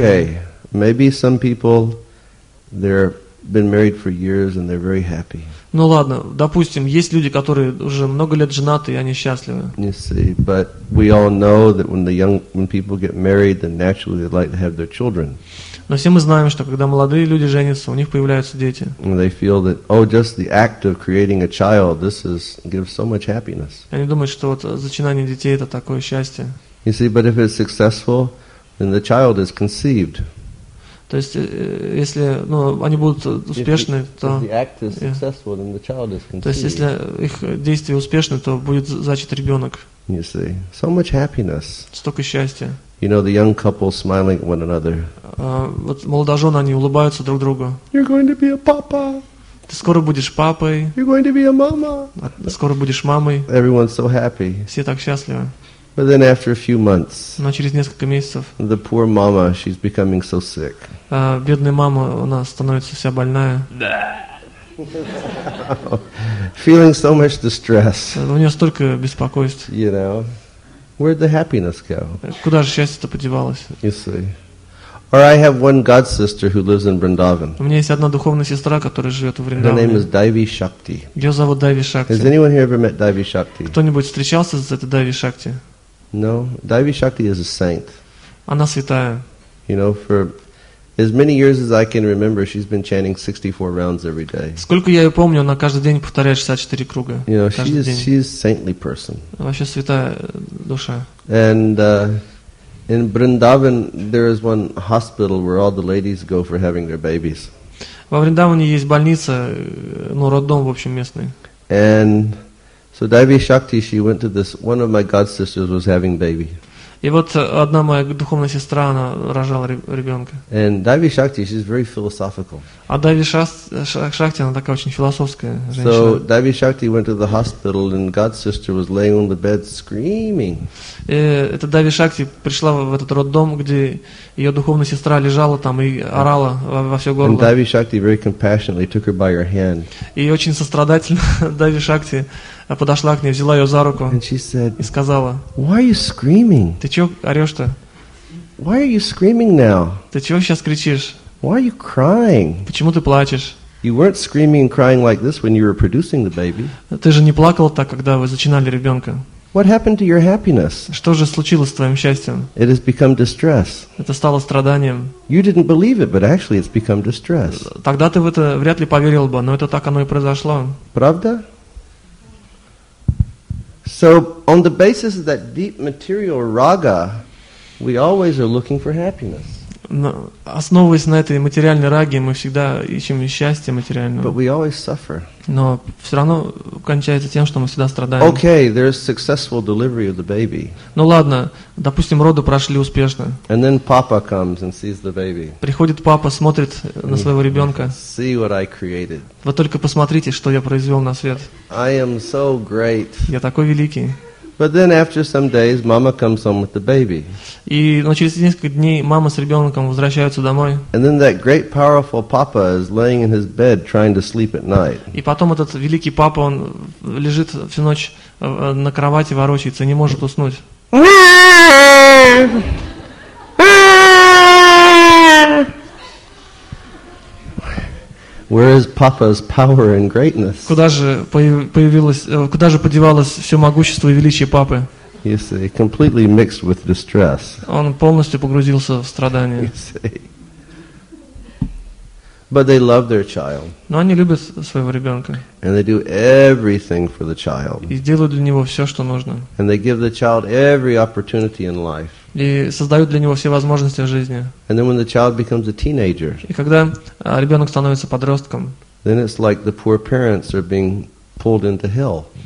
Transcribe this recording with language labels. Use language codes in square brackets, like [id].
[en] Okay, maybe some people they've been married for years and they're very happy. [ru] Ну ладно, допустим, есть люди, которые уже много лет женаты, и они счастливы. [en] You see, but we all know that when people get married, then naturally they'd like to have their children. [ru] Но все мы знаем, что когда молодые люди женятся, у них появляются дети. [en] And they feel that, oh, just the act of creating a child, gives so much happiness. [ru] Они думают, что вот зачинание детей это такое счастье. [en] You see, but if it's successful, then the child is conceived. [ru] То есть, если, ну, они будут успешны, то... То есть, если их действия успешны, то будет зачат ребенок. [en] You see, so much happiness. [ru] Столько счастья. [en] You know, the young couple smiling at one another. [ru] Вот молодожены, они улыбаются друг другу. [en] You're going to be a papa. [ru] Ты скоро будешь папой. [en] You're going to be a mama. [ru] Ты скоро будешь мамой. [en] Everyone's so happy. [ru] Все так счастливы. [en] But then after a few months, [ru] но через несколько месяцев, [en] the poor mama, she's becoming so sick. [ru] Бедная мама, она становится вся больная. [en] Feeling so much distress. [ru] У нее столько беспокойств. [en] You know, where'd the happiness go? [ru] Куда же счастье-то подевалось? [en] You see. Or I have one god sister who lives in Vrindavan. [ru] У меня есть одна духовная сестра, которая живет в Вриндаване. [en] Her name is Devi Shakti. [ru] Ее зовут Devi Shakti. [en] Has anyone here ever met Devi Shakti? [ru] Кто-нибудь встречался с этой Devi Shakti? [en] No, Devi Shakti is a saint. [ru] Она святая. [en] You know, for as many years as I can remember, she's been chanting 64 rounds every day. [ru] Сколько я ее помню, она каждый день повторяет 64 круга. [en] You know, she's a saintly person. [ru] Вообще святая душа. [en] And in Vrindavan, there is one hospital where all the ladies go for having their babies. [ru] Во Вриндаване есть больница, ну роддом, в общем, местный. [en] And so Devi Shakti, she went to this. One of my god sisters was having baby. [ru] И вот одна моя духовная сестра, она рожала ребенка. [en] And Devi Shakti, she's very philosophical. [ru] А Devi Shakti, она такая очень философская женщина. [en] So Devi Shakti went to the hospital, and god sister was laying on the bed screaming. [ru] И эта Devi Shakti пришла в этот роддом, где ее духовная сестра лежала там и орала во все горло. [en] And Devi Shakti very compassionately took her by her hand. [ru] И очень сострадательно Devi Shakti подошла к ней, взяла ее за руку и сказала: [en] "Why are you screaming? [ru] Ты чего орешь-то? [en] Why are you screaming now? [ru] Ты чего сейчас кричишь? [en] Why are you crying? [ru] Почему ты плачешь? [en] You weren't screaming and crying like this when you were producing the baby. [ru] Ты же не плакала так, когда вы зачинали ребенка. [en] What happened to your happiness? [ru] Что же случилось с твоим счастьем? [en] It has become distress. [ru] Это стало страданием. [en] You didn't believe it, but actually it's become distress. [ru] Тогда ты в это вряд ли поверил бы, но это так оно и произошло. Правда? [en] So on the basis of that deep material raga, we always are looking for happiness. [ru] Основываясь на этой материальной раге, мы всегда ищем счастье материальное. [en] But we always suffer. [ru] Но все равно кончается тем, что мы всегда страдаем. [en] Okay, there is successful delivery of the baby. [ru] Ну ладно, допустим, роды прошли успешно. [en] And then papa comes and sees the baby. [ru] Приходит папа, смотрит на своего ребенка. [en] See what I created. [ru] Вы только посмотрите, что я произвел на свет. [en] I am so great. [ru] Я такой великий. [en] But then after some days, mama comes home with the baby. [ru] И но через несколько дней мама с ребенком возвращаются домой. [en] And then that great, powerful papa is laying in his bed trying to sleep at night. [ru] И потом этот великий папа, он лежит всю ночь на кровати, ворочается, не может уснуть. [en] Where is Papa's power and greatness? [ru] Куда же появилось, куда же подевалось все могущество и величие папы? [en] You see, completely mixed with distress. [ru] Он полностью погрузился в страдания. [en] You see. But they love their child. [ru] Но они любят своего ребенка. [en] And they do everything for the child. [ru] И делают для него все, что нужно. [en] And they give the child every opportunity in life. [ru] И создают для него все возможности в жизни. [en] And then when the child becomes a teenager. [ru] И когда ребенок становится подростком. [en] Then it's like the poor parents are being pulled into hell.